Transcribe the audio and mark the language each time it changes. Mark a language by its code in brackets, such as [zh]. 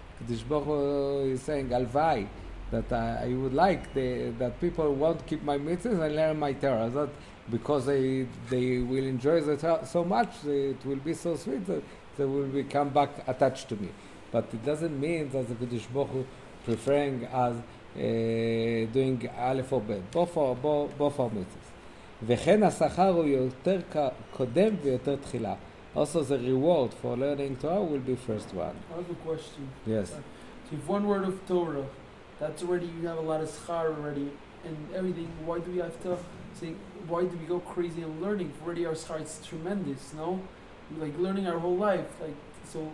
[en] Kodesh Baruch Hu is saying, Halvai, that I would like that people won't keep my mitzvahs and learn my Torah. That because they will enjoy the Torah so much, it will be so sweet that they will come back attached to me. But it doesn't mean that the Kodesh Baruch Hu preferring as doing Aleph or Bet. Both are mitzvahs. [he] וכן השכר הוא יותר קודם ויותר תחילה. [en] Also the reward for learning Torah will be first one. I have a question. Yes. So if one word of Torah, that's already you have a lot of schar already and everything, why do we have to say, why do we go crazy in learning? Already our schar is tremendous, no? Like learning our whole life, like, so